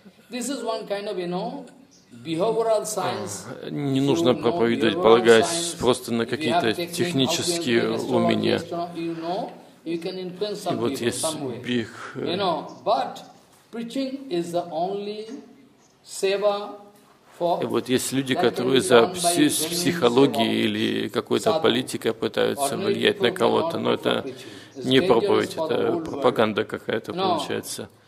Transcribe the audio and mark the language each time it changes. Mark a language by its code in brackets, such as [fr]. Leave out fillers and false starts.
[en] this is one kind of, you know, behavioral science. [ru] Не нужно проповедовать, полагаясь просто на какие-то технические умения. [en] You can influence some people somewhere. You know, but preaching is the only seva. [ru] И вот есть люди, которые за психологией или какой-то политикой пытаются влиять на кого-то, но это не проповедь, это пропаганда какая-то получается.